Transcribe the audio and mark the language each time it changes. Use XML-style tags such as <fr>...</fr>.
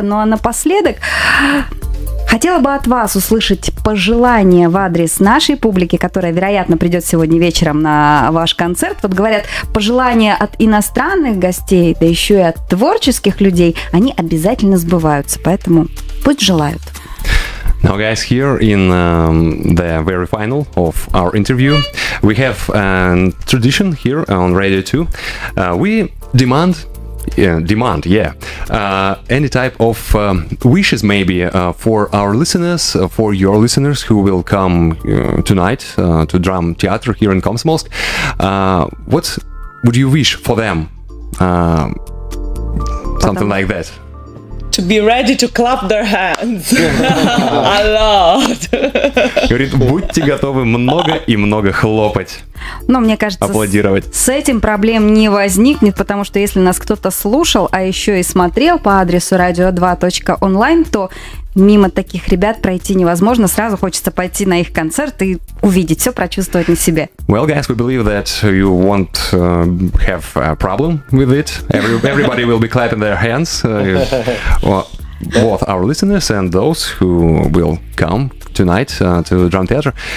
<ru>Ну а напоследок, хотела бы от вас услышать пожелание в адрес нашей публики, которая, вероятно, придет сегодня вечером на ваш концерт. Вот говорят, пожелания от иностранных гостей, да еще и от творческих людей, они обязательно сбываются. Поэтому пусть желают.</ru> <en>Now, guys, here in the very final of our interview, we have a tradition here on Radio 2. We demand any type of wishes, maybe, for our listeners, for your listeners who will come tonight to Drum Theater here in Komsomolsk. What would you wish for them? Something like that. To be ready to clap their hands a lot.</en> <ru>Говорит, будьте готовы много и много хлопать. Но мне кажется, аплодировать. С этим проблем не возникнет, потому что если нас кто-то слушал, а еще и смотрел по адресу radio2.online, то мимо таких ребят пройти невозможно. Сразу хочется пойти на их концерт и увидеть все, прочувствовать на себе.</ru> <en>Well, guys, we believe that you won't have a problem with it. Everybody will be clapping their hands. Both our listeners and those who will come tonight to Drum Theater.</en>